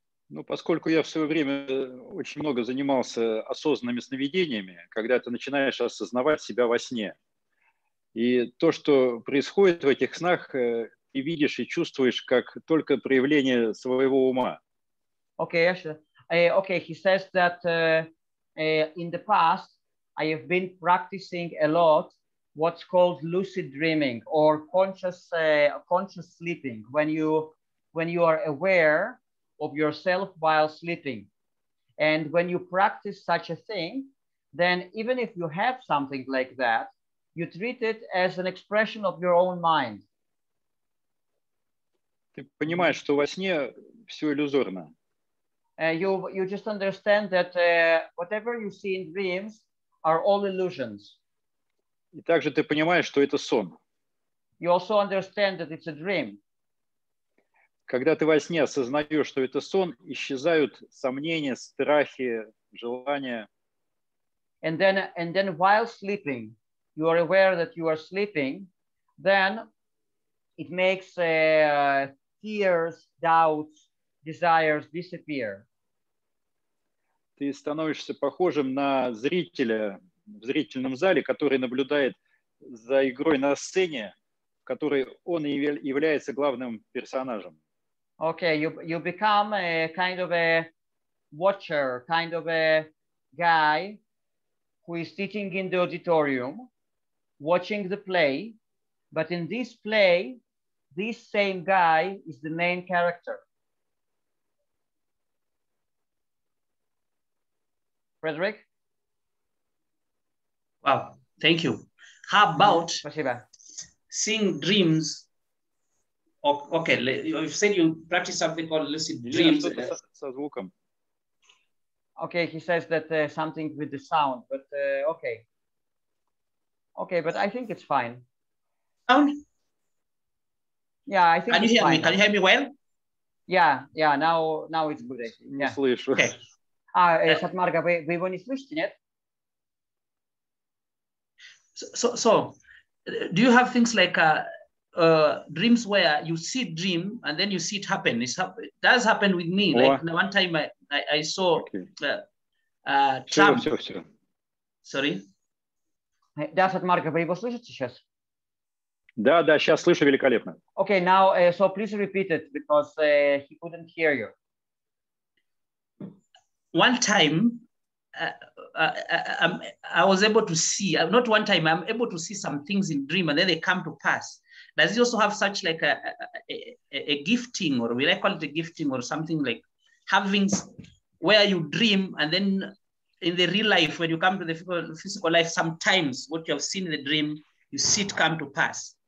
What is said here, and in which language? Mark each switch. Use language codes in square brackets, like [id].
[ru] Ну, поскольку я в свое время очень много занимался осознанными сновидениями, когда ты начинаешь осознавать себя во сне, и то, что происходит в этих снах, ты видишь и чувствуешь как только проявление своего ума. [en] Okay, he says that in the past I have been practicing a lot what's called lucid dreaming or conscious sleeping, when you are aware of yourself while sleeping. And when you practice such a thing, then even if you have something like that, you treat it as an expression of your own mind. [ru] Ты понимаешь, что во сне все иллюзорно. [en] You just understand that whatever you see in dreams are all illusions. [ru] И также ты понимаешь, что это сон. [en] You also understand that it's a dream. [ru] Когда ты во сне осознаешь, что это сон, исчезают сомнения, страхи, желания. [en] And then while sleeping, you are aware that you are sleeping, then it makes fears, doubts, desires disappear. [ru] Ты становишься похожим на зрителя в зрительном зале, который наблюдает за игрой на сцене, в которой он является главным персонажем. [en] Okay, you become a kind of a watcher, kind of a guy who is sitting in the auditorium watching the play, but in this play, this same guy is the main character. Frederick? Wow, thank you. How about seeing dreams? Okay, you've said you practice something called lucid dreams. Okay, he says that something with the sound, but okay. Okay, but I think it's fine. Sound? Yeah, I think can it's you hear fine. Me? Can you hear me well? Yeah, now it's good. Yeah. Okay. [ru] Сатмарга, вы его не слышите, нет? [en] So, do you have things like dreams where you see dream and then you see it happen? It does happen with me. Oh. Like one time I saw Trump. [ru] Все. [en] Sorry? [ru] Да, Сатмарга, вы его слышите сейчас? Да, да, сейчас слышу великолепно. [en] Okay, now, so please repeat it, because he couldn't hear you. One time, I was able to see, not one time, I'm able to see some things in dream, and then they come to pass. Does he also have such like a gifting, or will I call it a gifting, or something like having where you dream, and then in the real life, when you come to the physical life, sometimes what you have seen in the dream, you see it come to pass.